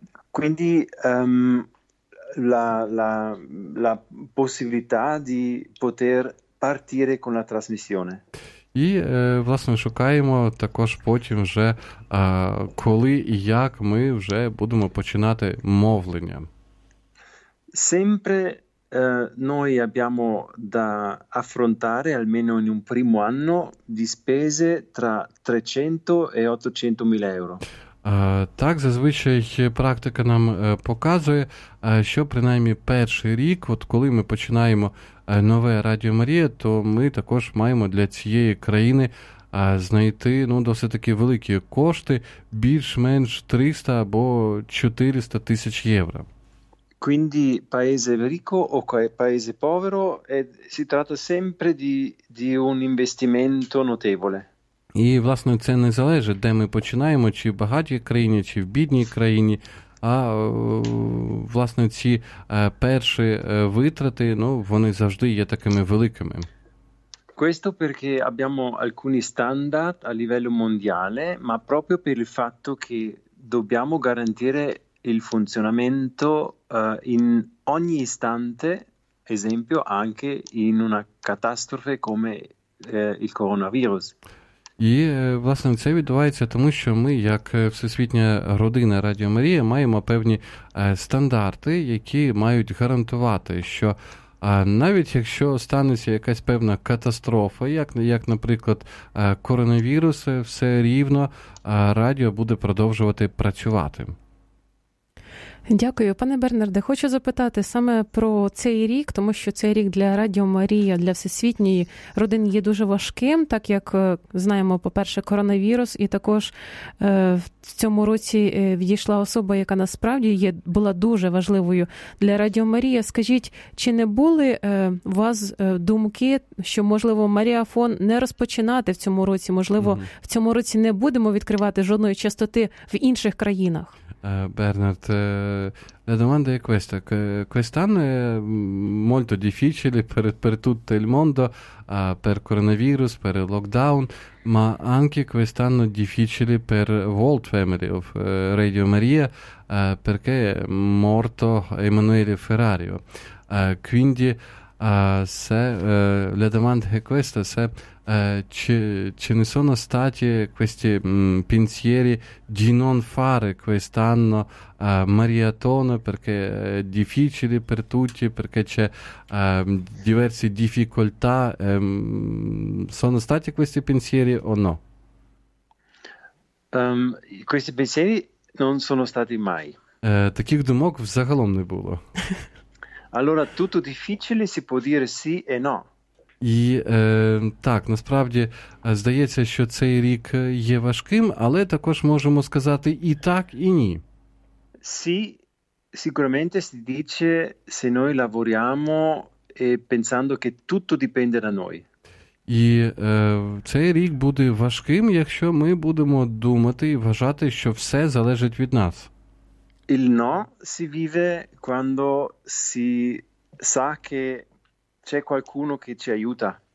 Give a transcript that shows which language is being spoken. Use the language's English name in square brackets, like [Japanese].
[Italian] Quindi la possibilità di poter partire con la trasmissione. [Ukrainian] І, власне, шукаємо також потім вже, коли і як ми вже будемо починати мовлення. [Italian] Sempre noi abbiamo da affrontare almeno in un primo anno di spese tra 300 e 800 mila euro. [Ukrainian] Так, зазвичай практика нам показує, що принаймні перший рік, от коли ми починаємо нове Радіо Марія, то ми також маємо для цієї країни знайти, ну, досить таки великі кошти, більш-менш 300 або 400 тисяч євро. [Italian] Quindi paese ricco o paese povero, si tratta sempre di un investimento notevole. [Ukrainian] І, власне, це не залежить, де ми починаємо, чи в багатій країні, чи в бідній країні, а, власне, ці перші витрати, ну, вони завжди є такими великими. [Italian] Questo perché abbiamo alcuni standard a livello mondiale, ma proprio per il fatto che dobbiamo garantire il funzionamento in ogni istante, esempio anche in una catastrofe come il coronavirus. [Ukrainian] І, власне, це відбувається тому, що ми, як всесвітня родина Радіо Марія, маємо певні стандарти, які мають гарантувати, що навіть якщо станеться якась певна катастрофа, як наприклад, коронавірус, все рівно радіо буде продовжувати працювати. Дякую. Пане Бернарде, хочу запитати саме про цей рік, тому що цей рік для Радіо Марія, для Всесвітньої родини є дуже важким, так як, знаємо, по-перше, коронавірус, і також в цьому році відійшла особа, яка насправді є, була дуже важливою для Радіо Марія. Скажіть, чи не були у вас думки, що, можливо, Маріафон не розпочинати в цьому році, можливо, в цьому році не будемо відкривати жодної частоти в інших країнах? [Italian] Бернард, la domanda è questa. Quest'anno è molto difficile per tutto il mondo, per coronavirus, per il lockdown, ma anche quest'anno difficile per World Family of Radio Maria, perché è morto Emanuele Ferrario. Quindi se, la domanda è questa, se ce ne sono stati questi pensieri di non fare quest'anno maratona, perché è difficile per tutti, perché c'è diverse difficoltà, sono stati questi pensieri o no? Questi pensieri non sono stati mai. [Ukrainian] Таких думок взагалом не було. [Italian] Allora, tutto difficile si può dire sì e no. [Ukrainian] І так, насправді, здається, що цей рік є важким, але також можемо сказати і так, і ні. [Italian] Sì, sicuramente si dice se noi lavoriamo pensando che tutto dipende da noi. [Ukrainian] І цей рік буде важким, якщо ми будемо думати і вважати, що все залежить від нас. [Italian] Il no si vive quando si sa che c'è qualcuno che ci aiuta.